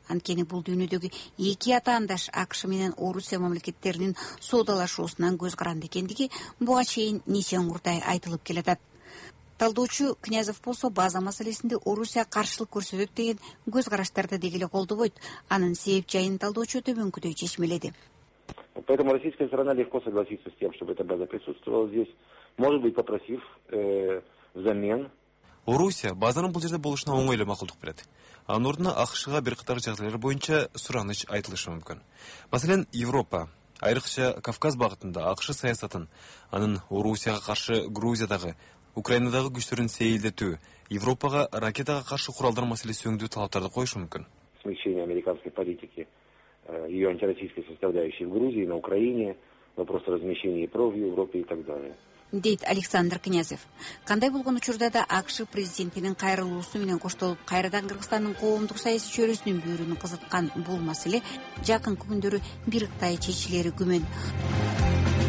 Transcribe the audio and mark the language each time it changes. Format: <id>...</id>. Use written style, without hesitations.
<ky>Анткени бул дүйнөдөгү эки атаандаш АКШ менен Орусия мамлекеттеринин соодалашуусунан көз каранды экендиги буга чейин нече мурдай айтылып келатат. Талдоочу Князев болсо база маселесинде Орусия каршылык көрсөтөт деген көз караштарды деги эле колдобойт. Анын себеп жайын талдоочу төмөнкүдөй чечмеледи.</ky> <ru>Поэтому российская сторона легко согласится с тем, чтобы эта база присутствовала здесь, может быть, попросив взамен.</ru> <ky>Орусия базанын бул жерде болушуна оңой эле макулдук берет. Анын ордуна АКШга бир катар жагдайлар боюнча сураныч айтылышы мүмкүн. Маселен, Европа, айрыкча Кавказ багытында АКШ саясатын, анын Орусияга каршы Грузиядагы, Украинадагы күчтөрүн сейилдетүү, Европага ракетага каршы куралдар маселеси өңдүү талаптарды коюшу мүмкүн.</ky> <ru>Смещение американской политики ее антироссийской составляющей в Грузии, на Украине, вопрос размещения ЕПРО в Европе и так далее.</ru> <ky>Дейт Александр Князев. Кандай болгон учурда да АКШ президентинин кайрылуусу менен коштолуп кайрадан Кыргызстандын коомдук саясий чөйрөсүнүн бүйрүнү кызыткан бул маселе жакынкы күндөрү бир ыктай чечилери күмөн.</ky>